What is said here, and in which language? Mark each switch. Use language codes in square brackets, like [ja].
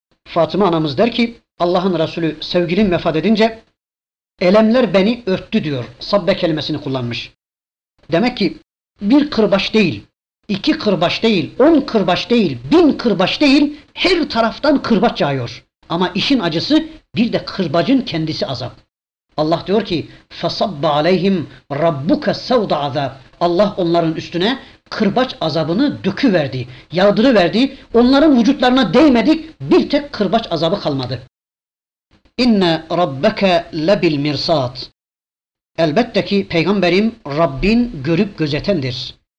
[tr] Fatıma anamız der ki, Allah'ın Resulü sevgilim vefat edince elemler beni örttü diyor. Sabbe kelimesini kullanmış. Demek ki bir kırbaç değil, iki kırbaç değil, on kırbaç değil, bin kırbaç değil, her taraftan kırbaç yağıyor. Ama işin acısı bir de kırbacın kendisi azap. Allah diyor ki [ar] فَصَبَّ عَلَيْهِمْ رَبُّكَ سَوْدَ عَذَابِ. [tr] Allah onların üstüne kırbaç azabını döküverdi, yağdırıverdi. Onların vücutlarına değmedik, bir tek kırbaç azabı kalmadı. [ar] اِنَّ رَبَّكَ لَبِالْمِرْسَاتِ. [tr] Elbette ki peygamberim Rabbin görüp gözetendir.